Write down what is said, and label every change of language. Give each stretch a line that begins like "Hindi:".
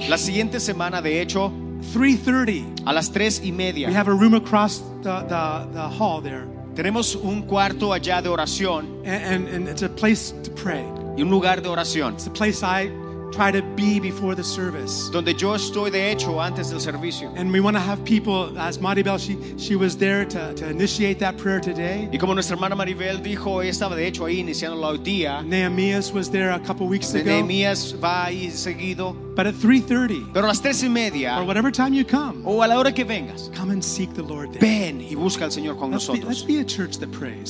Spanish: la siguiente semana, de hecho,
English: 3:30.
Spanish: A las 3:30.
English: We have a room across the hall there.
Spanish: Tenemos un cuarto allá de oración.
English: And it's a place to pray.
Spanish: Y un lugar de oración.
English: It's a place I try to be before the service.
Spanish: Donde yo estoy de hecho antes del servicio.
English: And we want to have people, as Maribel, she was there to initiate that prayer today.
Spanish: Y como nuestra hermana Maribel dijo, ella estaba de hecho ahí iniciando la hoy día.
English: Nehemías was there a couple weeks ago.
Spanish: Nehemías va ahí seguido.
English: But at 3:30.
Spanish: Pero a las 3:30.
English: Or whatever time you come.
Spanish: O a la hora que vengas.
English: Come and seek the Lord there.
Spanish: Ven y busca al Señor con
English: let's
Spanish: nosotros.
English: Let's be a church that prays.